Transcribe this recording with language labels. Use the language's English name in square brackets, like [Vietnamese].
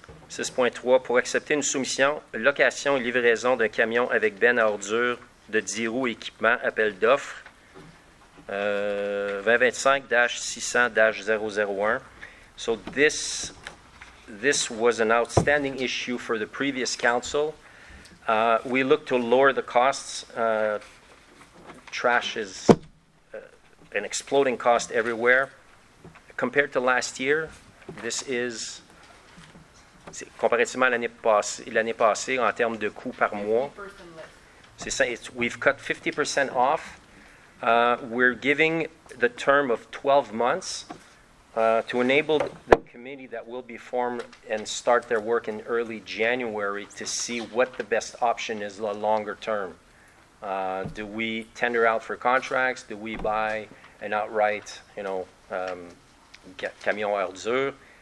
[French] 6.3, pour accepter une soumission, location et livraison d'un camion avec benne à ordures de 10 roues équipement, appel d'offres, 2025-600-001. [English] So this was an outstanding issue for the previous council. We looked to lower the costs. Trash is an exploding cost everywhere. Compared to last year, this is [French] c'est, comparativement à l'année passée, en termes de coûts par mois, c'est ça, [English] we've cut 50% off. We're giving the term of 12 months to enable the committee that will be formed and start their work in early January to see what the best option is the longer term. Do we tender out for contracts? Do we buy an outright, you know, [French] camion à ordures?